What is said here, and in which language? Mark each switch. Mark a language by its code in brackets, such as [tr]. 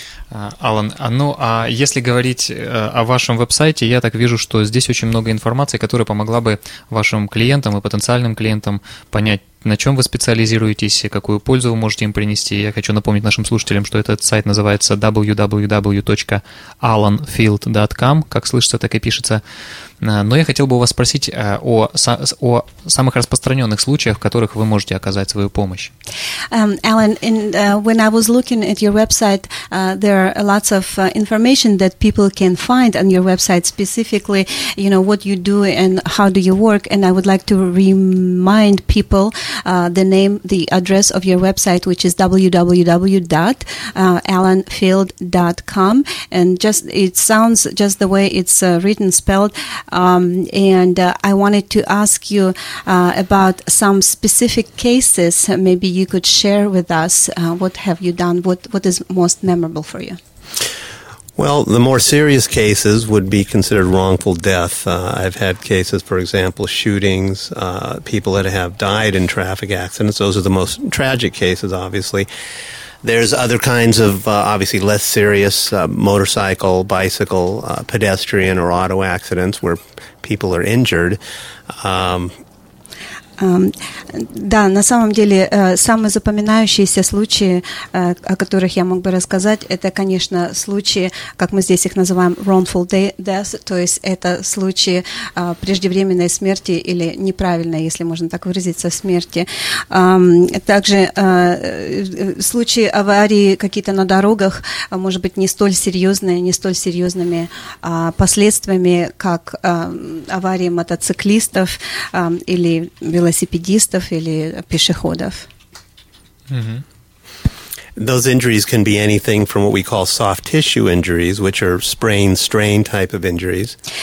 [ru] Алан, ну а если говорить о вашем веб-сайте, я так вижу, что здесь очень много информации, которая помогла бы вашим клиентам и потенциальным клиентам понять, на чем вы специализируетесь, какую пользу вы можете им принести. Я хочу напомнить нашим слушателям, что этот сайт называется www.alanfield.com, как слышится, так и пишется. Но я хотел бы у вас спросить о самых распространенных случаях, в которых вы можете оказать свою помощь. [en] Alan, when I was looking at your website, there are lots of information that people can find on your website, specifically, you know, what you do and how do you work. And I would like to remind people the name, the address of your website, which is www.alanfield.com. And just, it sounds just the way it's written, spelled. I wanted to ask you about some specific cases. Maybe you could share with us what have you done, what is most memorable for you? Well, the more serious cases would be considered wrongful death. I've had cases, for example, shootings, people that have died in traffic accidents. Those are the most tragic cases, obviously. There's other kinds of, obviously, less serious motorcycle, bicycle, pedestrian, or auto accidents where people are injured. [ru] Да, на самом деле, самые запоминающиеся случаи, о которых я мог бы рассказать, это, конечно, случаи, как мы здесь их называем, wrongful death, то есть это случаи преждевременной смерти или неправильной, если можно так выразиться, смерти. Также случаи аварии какие-то на дорогах, может быть, не столь серьезные, не столь серьезными последствиями, как аварии мотоциклистов или велосипедистов или пешеходов. [en] Those injuries can be anything from what we call soft tissue injuries, which are sprain, strain type of injuries.